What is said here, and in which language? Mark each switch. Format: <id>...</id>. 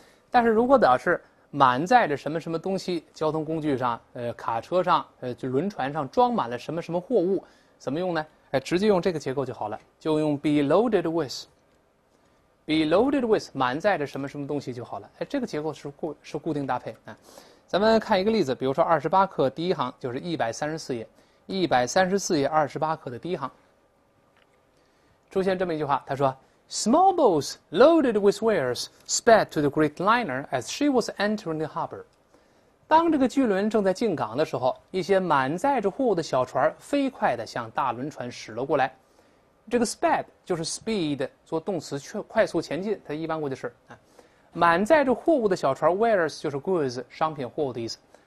<zh>但是如果表示满载着什么什么东西，交通工具上，卡车上，就轮船上装满了什么什么货物，怎么用呢？直接用这个结构就好了，就用</zh> <en>be loaded with。 be loaded with</en> <zh>满载着什么什么东西就好了。这个结构是固定搭配。咱们看一个例子，比如说28课第一行就是134页。 134页28课的第一行。出现这么一句话，他说</zh> <en>,small boats loaded with wares sped to the great liner as she was entering the harbor.</en> <zh>当这个巨轮正在进港的时候，一些满载着货物的小船飞快地向大轮船驶了过来。这个 sped 就是 speed 做动词快速前进，它一般过去式。满载着货物的小船 wares 就是 goods 商品货物的意思。</zh>